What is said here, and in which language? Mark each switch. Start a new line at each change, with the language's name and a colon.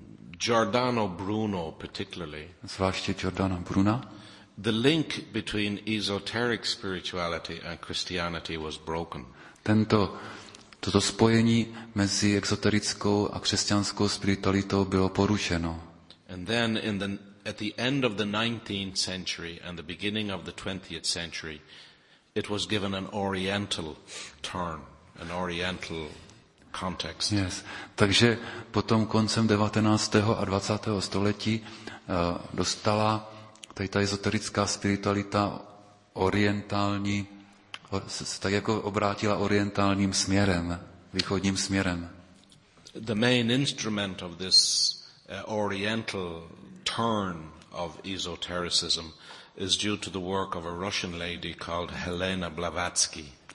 English: Giordano Bruno particularly,
Czech: zvláště Giordana Bruna,
English: the link between esoteric spirituality and Christianity was broken.
Czech: Tento toto spojení mezi exoterickou a křesťanskou spiritualitou bylo porušeno.
English: And then in the at the end of the 19th century and the beginning of the 20th century it was given an oriental turn, an oriental context. Yes.
Czech: Takže potom koncem 19. a 20. století dostala tady ta ezoterická spiritualita orientální, se tak jako obrátila orientálním směrem, východním směrem.
English: The main instrument of this oriental turn of esotericism is due to the work of a Russian lady called Helena Blavatsky.